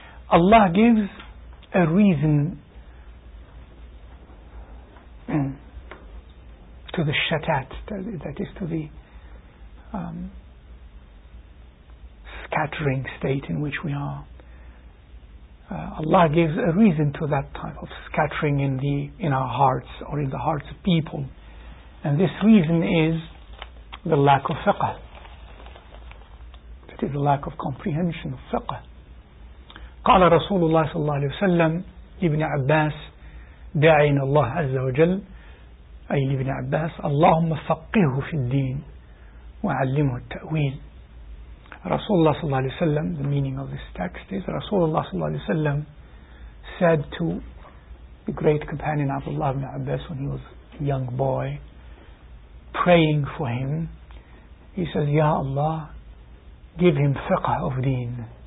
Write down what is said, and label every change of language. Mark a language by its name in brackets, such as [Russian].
[English] Allah gives a reason to the shatat, that is to the scattering state in which we are. Allah gives a reason to that type of scattering in our hearts or in the hearts of people. And this reason is the lack of fiqh. That is the lack of comprehension of fiqh. [Arabic] قال رسول الله صلى الله عليه وسلم لابن عباس داعين الله عز وجل أي لابن عباس اللهم فقهه في الدين وعلمه التأويل. رسول الله صلى الله عليه وسلم, [English] the meaning of this text is رسول الله صلى الله عليه وسلم said to the great companion Abdullah ibn Abbas when he was a young boy praying for him, he says, Ya Allah, give him fiqh of deen.